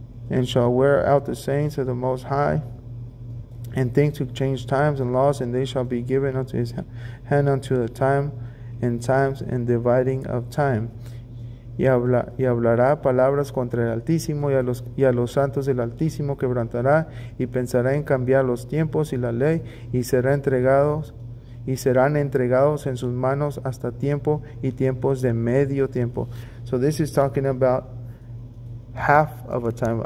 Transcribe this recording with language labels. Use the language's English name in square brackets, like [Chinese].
[English] And shall wear out the saints of the Most High, and think to change times and laws, and they shall be given unto his hand unto the time and times and dividing of time. [Spanish] Y hablará palabras contra el Altísimo y a los santos del Altísimo quebrantará, y pensará en cambiar los tiempos y la ley, y serán entregados en sus manos hasta tiempo y tiempos de medio tiempo. [English] So this is talking about half of a time.